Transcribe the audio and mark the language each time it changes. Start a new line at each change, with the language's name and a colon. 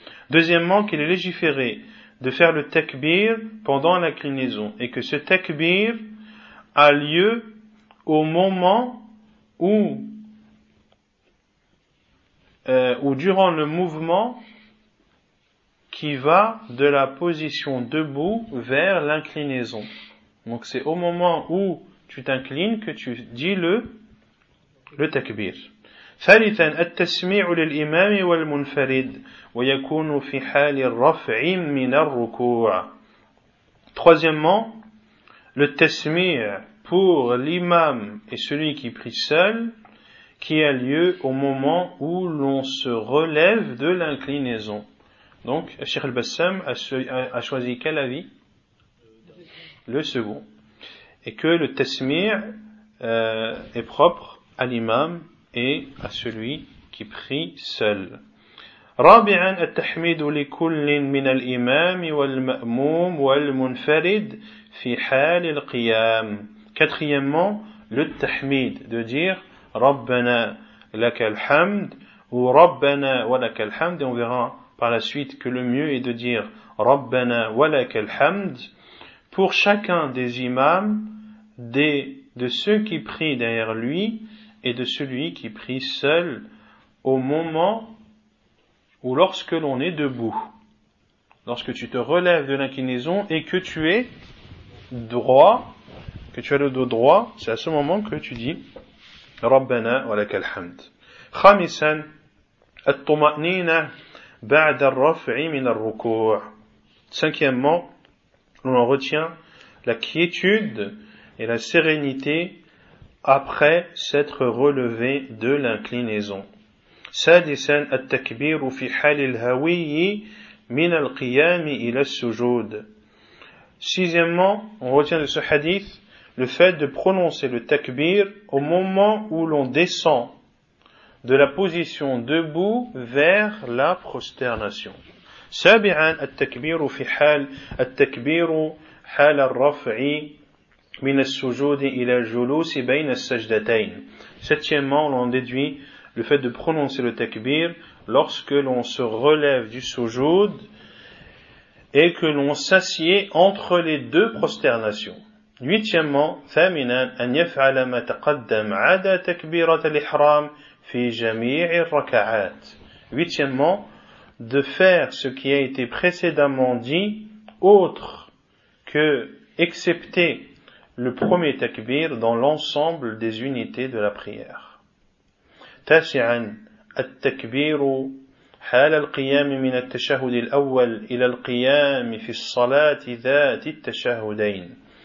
French: Deuxièmement, qu'il est légiféré de faire le takbir pendant l'inclinaison et que ce takbir a lieu au moment où durant le mouvement qui va de la position debout vers l'inclinaison. Donc c'est au moment où tu t'inclines que tu dis le takbir.
Arabic: ثالثا التسميع للإمام والمنفرد ويكون في حال الرفع من الركوع.
French: Troisièmement, le tasmi' pour l'imam et celui qui prie seul, qui a lieu au moment où l'on se relève de l'inclinaison. Donc, Cheikh al-Bassam a choisi quel avis ? Le second. Et que le tasmi' est propre à l'imam et à celui qui prie seul.
Arabic: رابعا التحميد لكل من الإمام والمأموم والمنفرد في حال القيام.
French: Quatrièmement, le tahmid, de dire Rabbana lakal hamd ou Rabbana walakal hamd. Et on verra par la suite que le mieux est de dire Rabbana walakal hamd pour chacun des imams, de ceux qui prient derrière lui et de celui qui prie seul au moment ou lorsque l'on est debout, lorsque tu te relèves de l'inclinaison et que tu es droit, que tu as le dos droit, c'est à ce moment que tu dis « Rabbana wa lakal hamd ».
Arabic: Khamisan, « At-tuma'nina ba'd al-raf'i min al-ruku'. »
French: Cinquièmement, l'on en retient la quiétude et la sérénité après s'être relevé de l'inclinaison.
Arabic: سادسا التكبير في حال الهوي من القيام إلى السجود.
French: Sixièmement, on retient de ce hadith le fait de prononcer le takbir au moment où l'on descend de la position debout vers la prosternation.
Arabic: سابعا التكبير في حال التكبير حال الرفع من السجود إلى الجلوس بين السجدتين.
French: Septièmement, on en déduit le fait de prononcer le takbir lorsque l'on se relève du sujoud et que l'on s'assied entre les deux prosternations. Huitièmement,
Arabic: ثامناً أن يفعل ما تقدم عدا تكبيرة الإحرام في جميع الركعات.
French: Huitièmement, de faire ce qui a été précédemment dit autre que excepté le premier takbir dans l'ensemble des unités de la prière.
Arabic: تاسعا التكبير حال القيام من التشهد الأول إلى القيام في الصلاة ذات التشهدين.